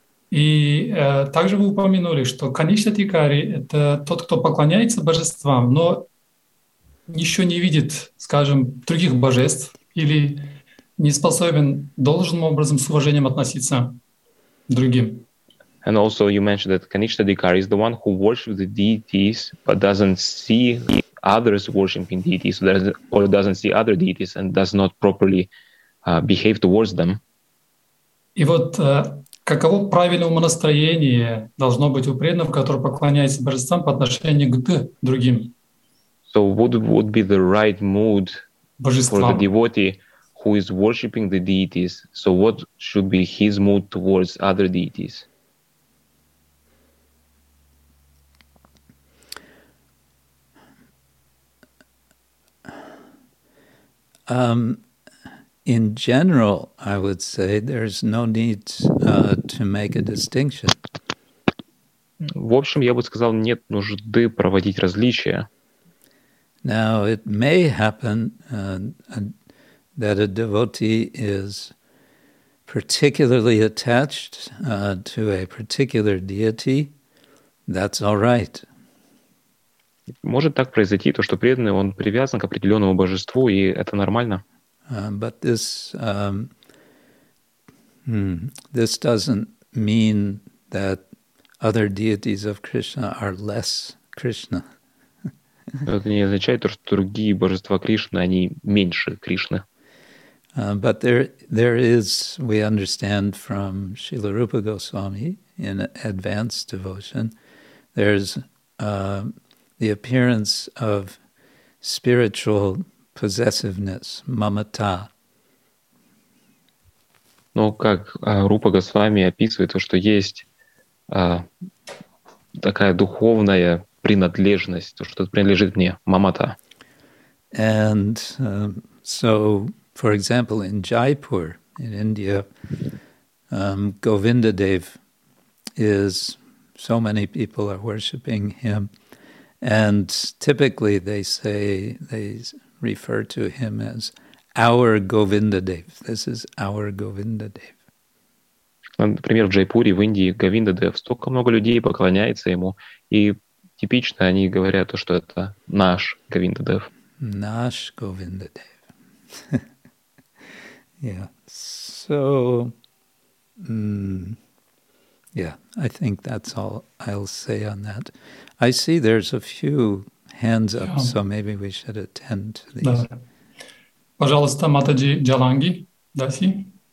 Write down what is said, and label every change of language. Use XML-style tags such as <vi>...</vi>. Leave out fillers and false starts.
<ru>И также вы упомянули, что конечный тикари — это тот, кто поклоняется божествам, но еще не видит, скажем, других божеств или не способен должным образом с уважением относиться к другим.</ru> <en>And also you mentioned that Kanishta Dikari is the one who worships the deities but doesn't see others worshiping deities or doesn't see other deities and does not properly behave towards them.</en> <ru>И вот каково правильное умонастроение должно быть у преданного, который поклоняется божествам по отношению к другим?</ru> <en>So what would be the right mood for the devotee who is worshiping the deities? So what should be his mood towards other deities? In general, I would say there's no need to make a distinction.</en> <ru>В общем, я бы сказал, нет нужды проводить различия.</ru> <en>Now, it may happen that a devotee is particularly attached to a particular deity. That's all right.</en> <ru>Может так произойти, то, что преданный, он привязан к определенному божеству, и это нормально.</ru> <en>But this, this doesn't mean that other deities of Krishna are less Krishna.</en> <ru>Это не означает, что другие божества Кришны, они меньше Кришны.</ru> <en>But there is, we understand from Srila Rupa Goswami in advanced devotion, there's the appearance of spiritual possessiveness, mamata.</en> <ru>Ну, как Рупа Госвами описывает, то, что есть такая духовная принадлежность, то, что принадлежит мне, мамата.</ru> <en>And so, for example, in Jaipur, in India, Govindadev is, so many people are worshipping him. And typically they say, they refer to him as our Govindadev. This is our Govindadev.</en> <ru>Например, в Джайпуре, в Индии, Говиндадев, столько много людей поклоняется ему, и типично они говорят, что это наш Говиндадев. Наш Говиндадев.</ru> <en>Yeah. So, yeah, I think that's all I'll say on that. I see there's a few hands up, so maybe we should attend to these.</en> <ru>Да. Пожалуйста, Матаджи Джаланги, Даси.</ru>